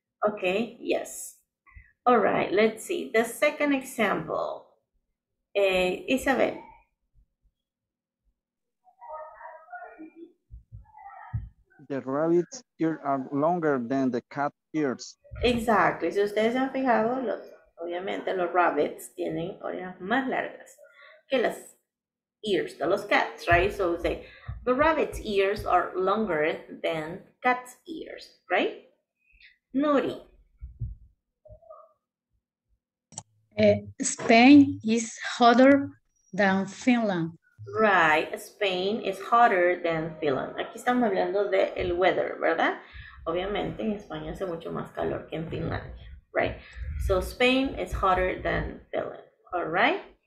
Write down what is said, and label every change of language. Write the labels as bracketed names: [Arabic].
[English] Okay, yes. All right, let's see. The second example. Isabel. The rabbit's ears are longer than the cat ears. Exactly. [Spanish] Si ustedes se han fijado, obviamente los rabbits tienen orejas más largas que las ears de los cats, right? [English] So say, the rabbit's ears are longer than cat's ears, right? Nuri. Spain is hotter than Finland. Right, Spain is hotter than Finland. [Spanish] Aquí estamos hablando de el weather, ¿verdad? Obviamente en España hace mucho más calor que en Finlandia, right? [English] So Spain is hotter than Finland, all right?